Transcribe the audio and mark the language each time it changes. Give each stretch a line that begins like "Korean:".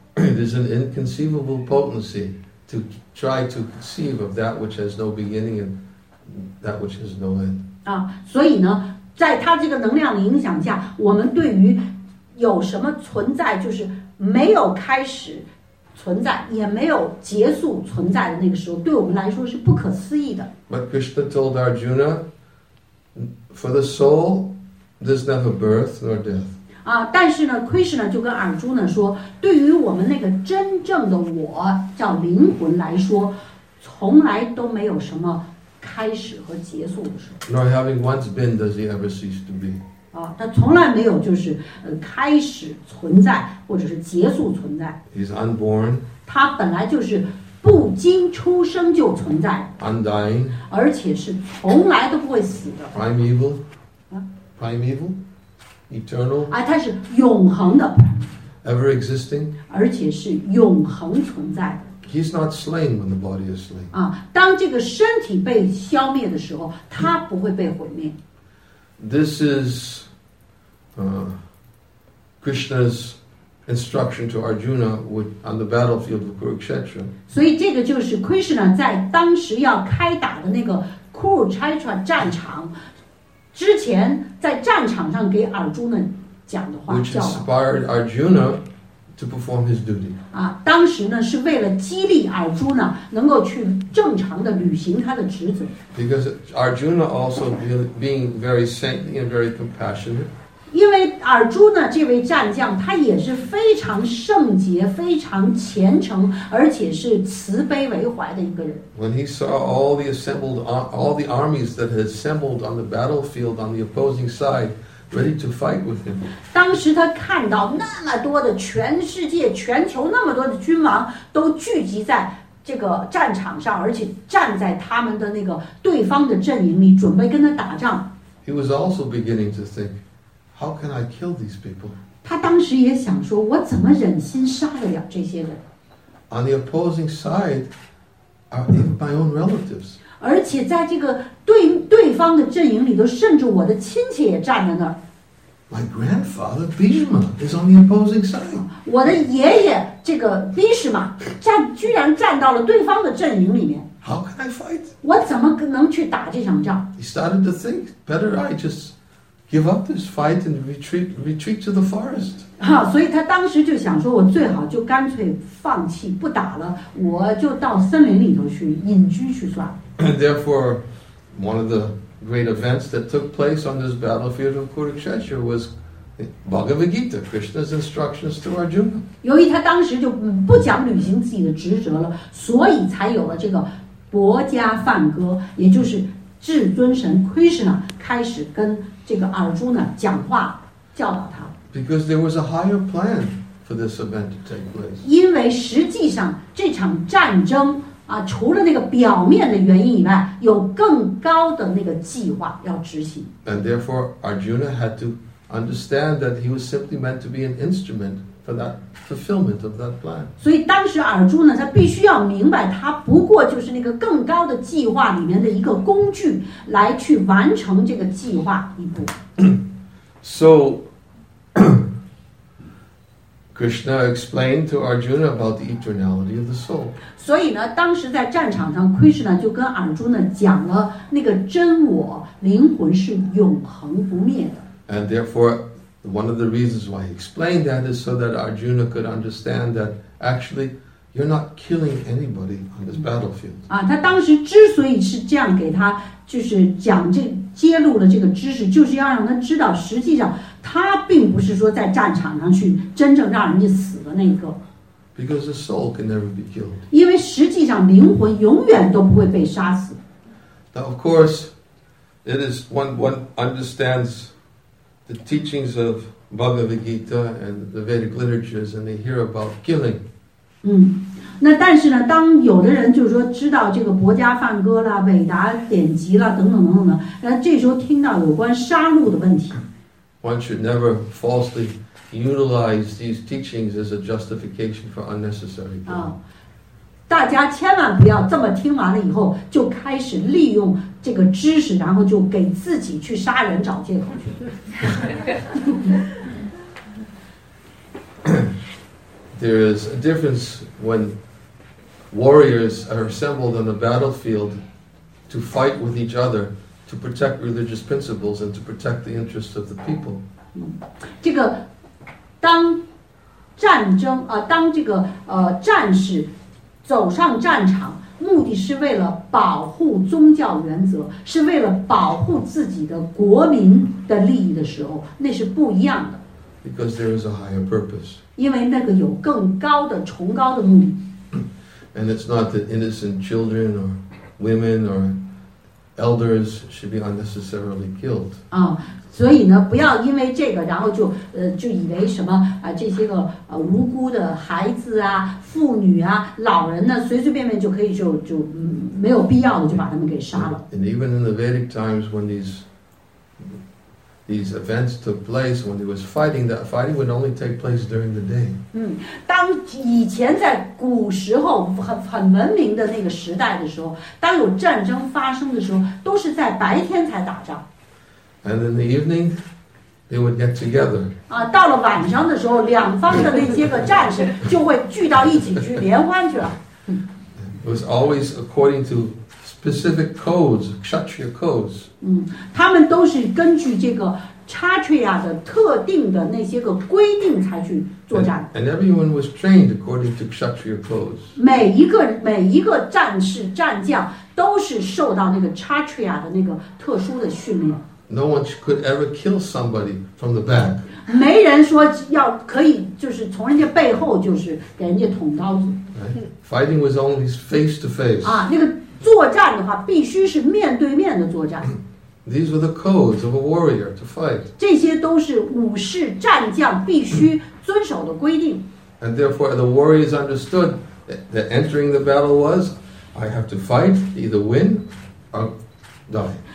English: It is an inconceivable potency to try to conceive of that which has no beginning and that which has no end.
Chinese: 啊，所以呢，在他这个能量的影响下，我们对于有什么存在，就是没有开始存在，也没有结束存在的那个时候，对我们来说是不可思议的。
English: But Krishna told Arjuna, for the soul,There's never birth nor death.
Chinese: 啊，但是呢 ，Krishna 就跟尔朱呢说，对于我们那个真正的我叫灵魂来说，从来都没有什么开始和结束的时候。
English: Nor having once been, does he ever cease to be?
Chinese: 啊，他从来没有就是开始存在或者是结束存在。
English: He's unborn.
Chinese: 他本来就是不经出生就存在。
English: Undying.
Chinese: 而且是从来都不会死的。
English: Primeval. Primeval, eternal,
Chinese: 啊，它是永恒的
English: ，ever existing,
Chinese: 而且是永恒存在的。
English: He's not slain when the body is slain.
Chinese: 啊，当这个身体被消灭的时候，它不会被毁灭。
English: This is, Krishna's instruction to Arjuna on the battlefield of Kurukshetra.
Chinese: 所以这个就是 Krishna 在当时要开打的那个 Kurukshetra 战场。之前在战场上给尔朱呢讲的话
English: ，which inspired Arjuna to perform his duty.
Chinese: 啊，当时呢是为了激励尔朱呢能够去正常的履行他的职责。
English: Because Arjuna also being very saintly and very compassionate.
Chinese: 因为尔朱呢这位战将，他也是非常圣洁、非常虔诚，而且是慈悲为怀的一个人。
English: When he saw all the armies that had assembled on the battlefield on the opposing side, ready to fight with him.
Chinese: 当时他看到那么多的全世界、全球那么多的君王都聚集在这个战场上，而且站在他们的那个对方的阵营里，准备跟他打仗。
English: He was also beginning to think. How can I kill these people?
Chinese: 他当时也想说，我怎么忍心杀得了这些人？
English: On the opposing side are even my own relatives.
Chinese: 而且在这个对方的阵营里头，甚至我的亲戚也站在那儿。
English: My grandfather Bhishma is on the opposing side.
Chinese: 我的爷爷这个 Bhishma 居然站到了对方的阵营里面。
English: How can I fight?
Chinese: 我怎么能去打这场仗？
English: He started to think, better I just... Give up this fight and retreat to the forest.
Chinese: 哈，所以他当时就想说，我最好就干脆放弃不打了，我就到森林里头去隐居去算。
English: And therefore, one of the great events that took place on this battlefield of Kurukshetra was Bhagavad Gita, Krishna's instructions to Arjuna.
Chinese: 由于他当时就不想履行自己的职责了，所以才有了这个薄伽梵歌，也就是至尊神 Krishna 开始跟这个 Arjuna 讲话，教导他。
English: Because there was a higher plan for this event to take place.
Chinese: 因为实际上这场战争啊，除了那个表面的原因以外，有更高的那个计划要执行。
English: And therefore, Arjuna had to understand that he was simply meant to be an instrument for that fulfillment of that plan.
Chinese: 所以当时尔朱呢，他必须要明白，他不过就是那个更高的计划里面的一个工具，来去完成这个计划一步。
English: So. Krishna explained to Arjuna about the eternality of the soul.
Chinese: 所以呢，当时在战场上 ，Krishna 就跟 Arjuna 讲了那个真我，灵魂是永恒不灭的。
English: And therefore, one of the reasons why he explained that is so that Arjuna could understand that actually you're not killing anybody on this battlefield.
Chinese: 啊，他当时之所以是这样给他就是讲这揭露了这个知识，就是要让他知道，实际上。他并不是说在战场上去真正让人家死的那个。
English: Because the soul can never be killed.
Chinese: 因为实际上灵魂永远都不会被杀死。
English: Now, of course, it is one understands the teachings of Bhagavad Gita and the Vedic literatures, and they hear about killing.
Chinese: 那但是呢，当有的人就是说知道这个薄伽梵歌啦、韦达典籍啦等等等等的，那这时候听到有关杀戮的问题。
English: One should never falsely utilize these teachings as a justification for unnecessary killing.
Chinese: 大家千万不要这么听完了以后就开始利用这个知识，然后就给自己去杀人找借口去。
English: There is a difference when warriors are assembled on the battlefield to fight with each other. To protect religious principles and to protect the interests of the people.
Chinese: 这个当战争啊、当这个战士走上战场，目的是为了保护宗教原则，是为了保护自己的国民的利益的时候，那是不一样的。
English: Because there is a higher purpose.
Chinese: 因为那个有更高的、崇高的目的。
English: And it's not that innocent children or women or. Elders should be unnecessarily killed.
Chinese: 所以呢，不要因为这个，然后就以为什么这些个无辜的孩子啊、妇女啊、老人呢，随随便便就可以就没有必要的就把他们给杀了。
English: And even in the Vedic times, when these events took place, when there was fighting, that fighting would only take place during the day.
Chinese: 当以前在古时候很文明的那个时代的时候，当有战争发生的时候，都是在白天才打仗。
English: And in the evening, they would get together.
Chinese: 到了晚上的时候，两方的那些个战士就会聚到一起去联欢去了。
English: It was always according to. Specific codes, Kshatriya codes.
Chinese: 他们都是根据这个 Kshatriya 的特定的那些个规定才去作战。
English: And everyone was trained according to Kshatriya codes.
Chinese: 每一个战士战将都是受到那个 Kshatriya 的那个特殊的训练。
English: No one could ever kill somebody from the back.
Chinese: 没人说要可以就是从人家背后就是给人家捅刀子。
English: Fighting was only face to face.
Chinese: 那个。作战的话必须是面对面的作战。
English: These were the codes of a warrior to fight.
Chinese: 这些都是武士战将必须遵守的规定。
English: And therefore the warriors understood that entering the battle was, I have to fight, either win or die.